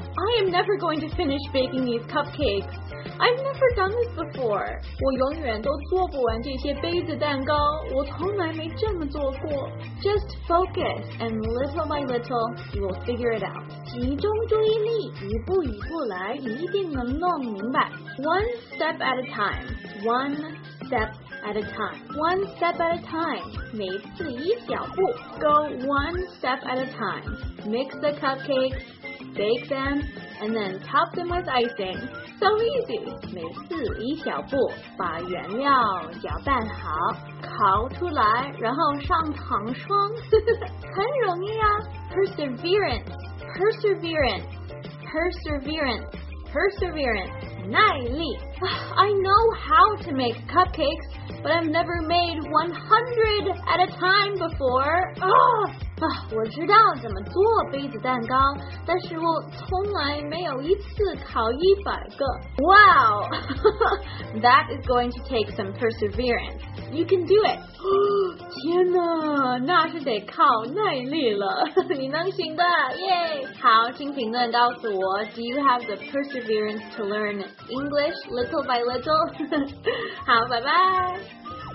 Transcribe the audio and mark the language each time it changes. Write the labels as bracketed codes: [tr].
[en] I am never going to finish baking these cupcakes. I've never done this before. [zh] 我永远都做不完这些杯子蛋糕，我从来没这么做过。 [en] Just focus and little by little, you will figure it out. [zh] 集中注意力，一步一步来，你一定能弄明白。 [en] One step at a time. One step at a time. One step at a time. [zh] 每次一小步。 [en] Go one step at a time. Mix the cupcakes, bake them, and then top them with icing. So easy. [zh] 每次一小步，把原料搅拌好，烤出来，然后上糖霜。很容易啊。 [en] Perseverance. Perseverance. Perseverance, perseverance, [zh] 耐力 [en] I know how to make cupcakes, but I've never made 100 at a time before. [zh] Oh, 我知道怎么做杯子蛋糕，但是我从来没有一次烤一百个。 [en] Wow, that is going to take some perseverance. You can do it. [zh] 天哪，那是得靠耐力了。你能行的，耶！好，请评论告诉我 [en] ，Do you have the perseverance to learn English little by little? [zh] 好，拜拜。